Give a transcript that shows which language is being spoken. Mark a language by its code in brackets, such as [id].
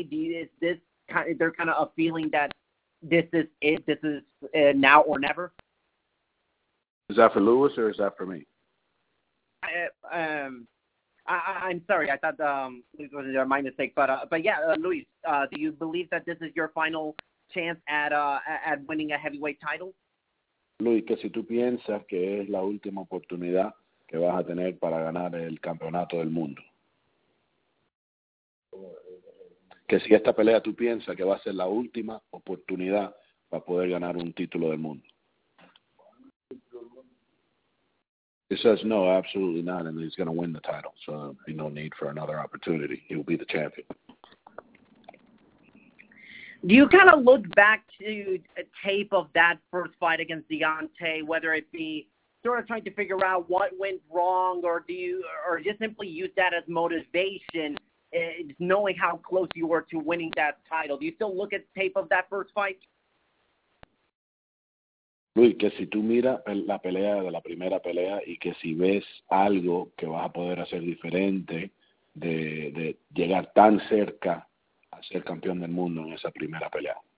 [en] Is there kind of a feeling that this is it, this is now or never? Is that for Luis or is that for me? I'm sorry. I thought Luis was my mistake, but yeah, Luis, do you believe that this is your final chance at winning a heavyweight title? [es] Luis, que si tú piensas que es la última oportunidad que vas a tener para ganar el campeonato del mundo, que si esta pelea tú piensas que va a ser la última oportunidad para poder ganar un título del mundo. [en] He says, no, absolutely not, and he's going to win the title, so there'll be no need for another opportunity. He will be the champion. Do you kind of look back to a tape of that first fight against Deontay, whether it be sort of trying to figure out what went wrong, or do you, or just simply use that as motivation, knowing how close you were to winning that title? Do you still look at tape of that first fight? [es] Luis, que si tú miras la pelea de la primera pelea y que si ves algo que vas a poder hacer diferente de llegar tan cerca a ser campeón del mundo en esa primera pelea.